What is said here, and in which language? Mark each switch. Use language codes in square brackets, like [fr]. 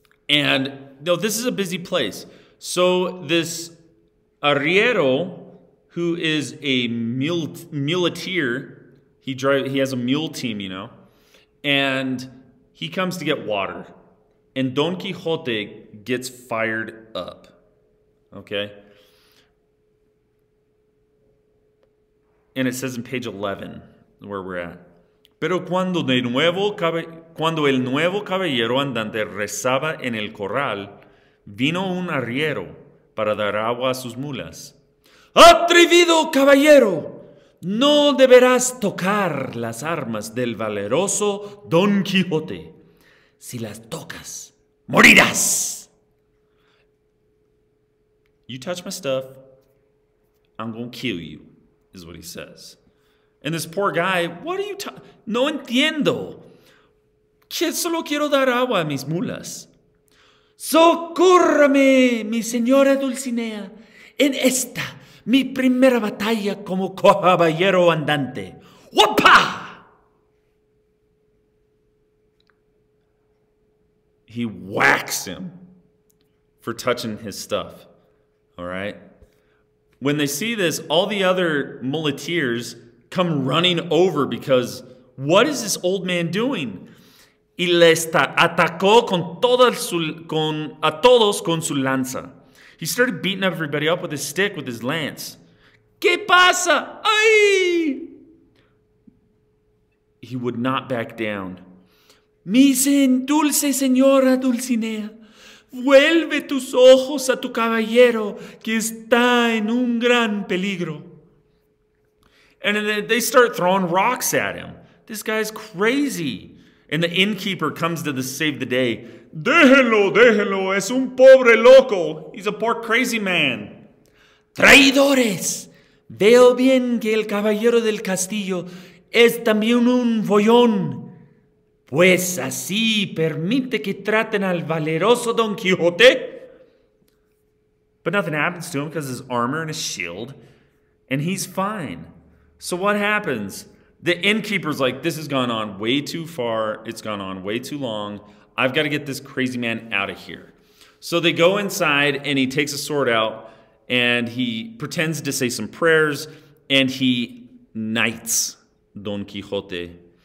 [en] And, you know, this is a busy place. So this arriero, who is a muleteer, he has a mule team, you know, and he comes to get water. And Don Quixote gets fired up, okay? And it says in page 11 where we're at. [es] Pero cuando el nuevo caballero andante rezaba en el corral, vino un arriero para dar agua a sus mulas. ¡Atrevido caballero! No deberás tocar las armas del valeroso Don Quijote. Si las tocas, morirás. [en] you touch my stuff, I'm going to kill you, is what he says. And this poor guy, what are you talking? [es] No entiendo. Que solo quiero dar agua a mis mulas. Socórrame, mi señora Dulcinea, en esta, mi primera batalla como caballero andante. ¡Wapa! [en] He whacks him for touching his stuff, all right? When they see this, all the other muleteers come running over because what is this old man doing? [es] Y le atacó a todos con su lanza. [en] He started beating everybody up with his stick, with his lance. [es] ¿Qué pasa? ¡Ay! [en] He would not back down. [es] Mi dulce señora Dulcinea, vuelve tus ojos a tu caballero que está en un gran peligro. [en] And then they start throwing rocks at him. This guy's crazy. And the innkeeper comes to save the day. [es] Déjelo, déjelo, es un pobre loco. [en] He's a poor crazy man. [es] Traidores, veo bien que el caballero del castillo es también un follón. Pues así permite que traten al valeroso Don Quixote. [en] But nothing happens to him because his armor and his shield, and he's fine. So what happens? The innkeeper's like, this has gone on way too far. It's gone on way too long. I've got to get this crazy man out of here. So they go inside and he takes a sword out and he pretends to say some prayers and he knights Don Quixote.